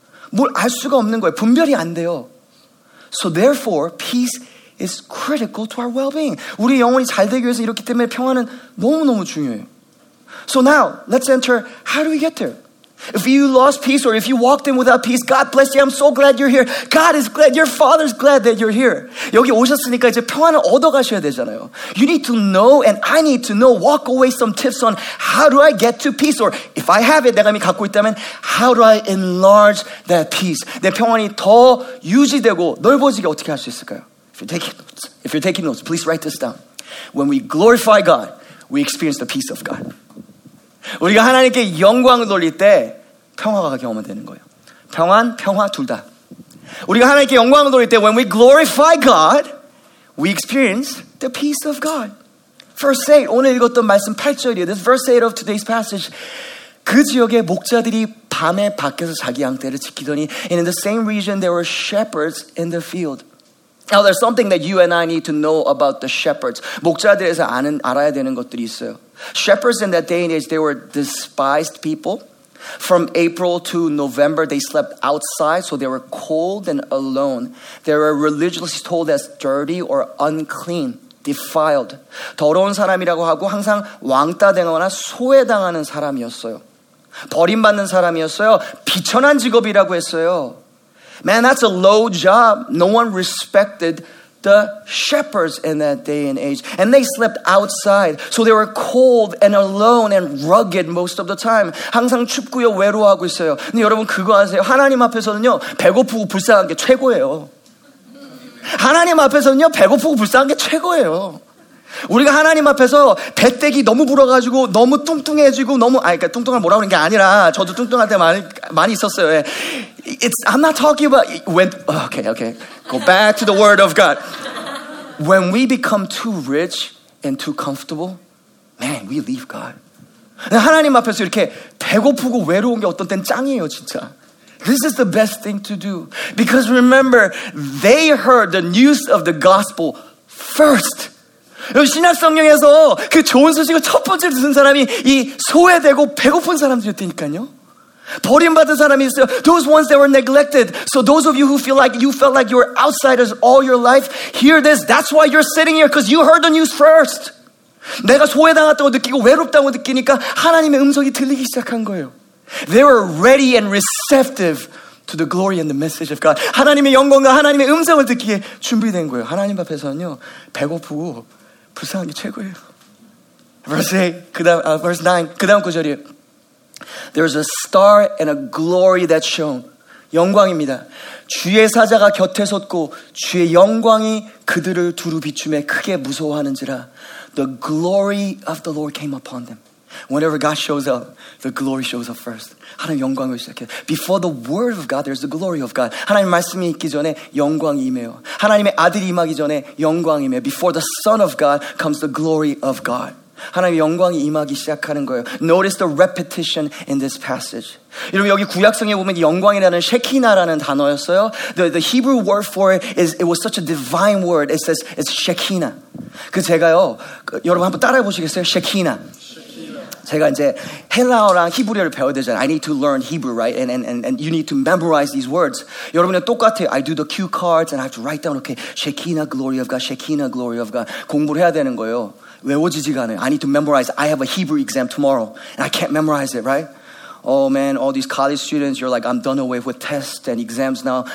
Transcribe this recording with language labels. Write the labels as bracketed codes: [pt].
[ko] 뭘 알 수가 없는 거예요. 분별이 안 돼요. [en] So therefore, peace is critical to our well-being. [ko] 우리 영혼이 잘 되기 위해서 이렇기 때문에 평안은 너무너무 중요해요. [en] So now, let's enter, how do we get there? If you lost peace or if you walked in without peace, God bless you. I'm so glad you're here. God is glad. Your father's glad that you're here. [ko] 여기 오셨으니까 이제 평안을 얻어가셔야 되잖아요. [en] You need to know and I need to know, walk away some tips on how do I get to peace, or if I have it, [ko] 내가 이미 갖고 있다면 [en] how do I enlarge that peace? [ko] 내 평안이 더 유지되고 넓어지게 어떻게 할 수 있을까요? [en] If you're taking notes, please write this down. When we glorify God, we experience the peace of God. [ko] 우리가 하나님께 영광을 돌릴 때 평화가 경험되는 거예요. 평안, 평화 둘 다. 우리가 하나님께 영광을 돌릴 때 [en] when we glorify God, we experience the peace of God. Verse 8, [ko] 오늘 읽었던 말씀 8절이에요. [en] This verse 8 of today's passage. [ko] 그 지역에 목자들이 밤에 밖에서 자기 양떼를 지키더니 [en] and in the same region there were shepherds in the field. Now there's something that you and I need to know about the shepherds. [ko] 목자들에서 아는 알아야 되는 것들이 있어요. [en] Shepherds in that day and age, they were despised people. From April to November, they slept outside, so they were cold and alone. They were religiously told as dirty or unclean, defiled. [ko] 더러운 사람이라고 하고 항상 왕따되거나 소외당하는 사람이었어요. 버림받는 사람이었어요. 비천한 직업이라고 했어요. [en] Man, that's a low job. No one respected the shepherds in that day and age. And they slept outside. So they were cold and alone and rugged most of the time. [ko] 항상 춥고요, 외로워하고 있어요. 근데 여러분 그거 아세요? 하나님 앞에서는요, 배고프고 불쌍한 게 최고예요. 하나님 앞에서는요, 배고프고 불쌍한 게 최고예요. 우리가 하나님 앞에서 배때기 너무 부러가지고 너무 뚱뚱해지고 너무 아니 그러니까 뚱뚱한 뭐라고 하는 게 아니라 저도 뚱뚱할 때 많이 있었어요. [en] It's I'm not talking about when okay. Go back to the word of God. When we become too rich and too comfortable, man, we leave God. [ko] 하나님 앞에서 이렇게 배고프고 외로운 게 어떤 땐 짱이에요, 진짜. [en] This is the best thing to do. Because remember, they heard the news of the gospel first. [ko] 신약성경에서 그 좋은 소식을 첫 번째로 듣는 사람이 이 소외되고 배고픈 사람들이었다니까요. 버림받은 사람이 있어요. [en] Those ones that were neglected. So those of you who feel like you felt like you were outsiders all your life, hear this. That's why you're sitting here, because you heard the news first. [ko] 내가 소외당했다고 느끼고 외롭다고 느끼니까 하나님의 음성이 들리기 시작한 거예요. [en] They were ready and receptive to the glory and the message of God. [ko] 하나님의 영광과 하나님의 음성을 듣기에 준비된 거예요. 하나님 앞에서는요, 배고프고 불쌍한 게 최고예요. Verse 8, 그다음, verse 9, 그 다음 구절이에요. [en] There's a star and a glory that shone. [ko] 영광입니다. 주의 사자가 곁에 섰고 주의 영광이 그들을 두루 비춤에 크게 무서워하는지라. [en] The glory of the Lord came upon them. Whenever God shows up, the glory shows up first. [ko] 하나님 영광을 시작해. [en] Before the word of God, there's the glory of God. [ko] 하나님 말씀이 있기 전에 영광이 임해요. 하나님의 아들이 임하기 전에 영광이 임해요. [en] Before the Son of God comes the glory of God. [ko] 하나님의 영광이 임하기 시작하는 거예요. [en] Notice the repetition in this passage. [ko] 여러분 여기 구약성에 보면 영광이라는 Shekinah라는 단어였어요. [en] The Hebrew word for it is, it was such a divine word. It says, it's Shekinah. [ko] 그 제가요, 그, 여러분 한번 따라해 보시겠어요? Shekinah. 제가 이제 헬라어랑 히브리어를 배워야 되잖아요. [en] I need to learn Hebrew, right? And you need to memorize these words. [ko] 여러분은 똑같아요. [en] I do the cue cards and I have to write down, okay, Shekinah, glory of God, Shekinah, glory of God. [ko] 공부를 해야 되는 거예요. 외워지지가 않아요. [en] I need to memorize. I have a Hebrew exam tomorrow and I can't memorize it, right? Oh man, all these college students, you're like, I'm done away with tests and exams now.